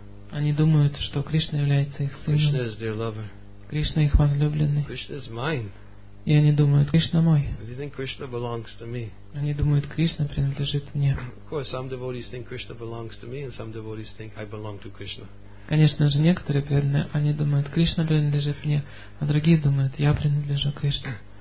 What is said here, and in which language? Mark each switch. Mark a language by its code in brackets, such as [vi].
[ru] Они думают, что Кришна является их сыном. Кришна их возлюбленный. И они думают, Кришна мой. [en] They think Krishna belongs to me. [ru] Они думают, Кришна принадлежит мне. [en] Of course, some devotees think Krishna belongs to me, and some devotees think I belong to Krishna. [ru] Конечно же, некоторые преданные, они думают, Кришна принадлежит мне, а другие думают, я принадлежу Кришне.